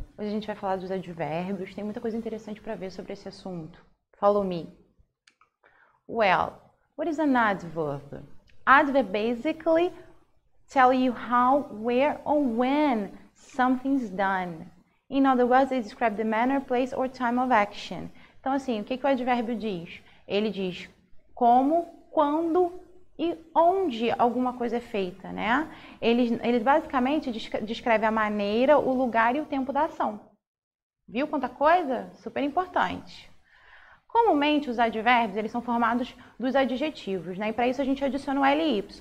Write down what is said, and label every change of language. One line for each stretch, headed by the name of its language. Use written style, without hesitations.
Portuguese: Hoje a gente vai falar dos advérbios. Tem muita coisa interessante para ver sobre esse assunto.
English: Follow me. Well, what is an adverb? Adverb basically tell you how, where or when something's done. In other words, they describe the manner, place or time of action.
Portuguese: Então, assim, o que o advérbio diz? Ele diz como, quando e onde alguma coisa é feita, né? Ele basicamente descreve a maneira, o lugar e o tempo da ação. Viu quanta coisa? Super importante. Comumente, os advérbios, eles são formados dos adjetivos, né? E para isso a gente adiciona o ly.